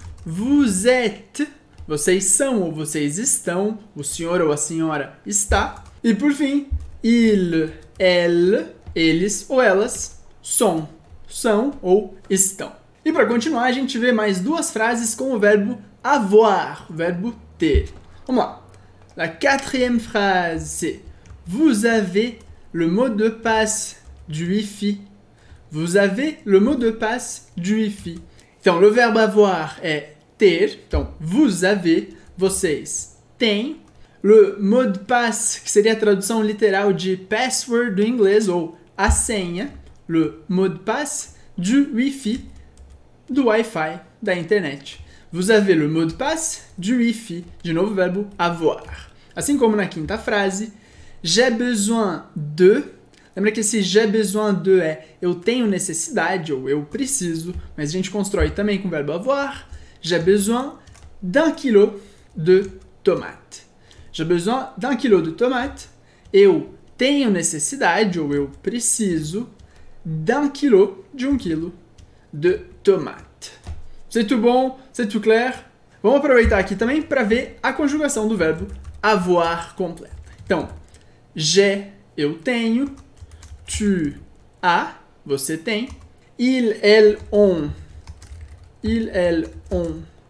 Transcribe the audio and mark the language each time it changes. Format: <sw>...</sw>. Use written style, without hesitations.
<fr>Vous êtes,</fr> <pt>vocês são ou vocês estão. O senhor ou a senhora está. E por fim, ils, elles, eles ou elas são ou estão. E para continuar, a gente vê mais duas frases com o verbo avoir, o verbo ter. Vamos lá.</pt> <fr>La quatrième phrase, c'est vous avez le mot de passe du Wi-Fi. Vous avez le mot de passe du Wi-Fi.</fr> <pt>Então,</pt> <fr>le verbe avoir</fr> <pt>é ter. Então,</pt> <fr>vous avez,</fr> <pt>vocês têm.</pt> <fr>Le mot de passe,</fr> <pt>que seria a tradução literal de password do inglês, ou a senha.</pt> <fr>Le mot de passe du Wi-Fi,</fr> <pt>do Wi-Fi, da internet.</pt> <fr>Vous avez le mot de passe du Wi-Fi.</fr> <pt>De novo, o verbo avoir. Assim como na quinta frase,</pt> <fr>j'ai besoin de.</fr> <pt>Lembra que esse</pt> <fr>j'ai besoin de</fr> <pt>é eu tenho necessidade ou eu preciso, mas a gente constrói também com o verbo avoir.</pt> <fr>J'ai besoin d'un kilo de tomate. J'ai besoin d'un kilo de tomate.</fr> <pt>Eu tenho necessidade ou eu preciso</pt> <fr>d'un kilo,</fr> <pt>de um quilo de tomate.</pt> <fr>C'est tout bon? C'est tout clair?</fr> <pt>Vamos aproveitar aqui também para ver a conjugação do verbo avoir completa. Então,</pt> <fr>j'ai,</fr> <pt>eu tenho.</pt> <fr>Tu as,</fr> <pt>você tem.</pt> <fr>Ils, elles, ont.</fr> <pt>Ils, elles, ont</pt>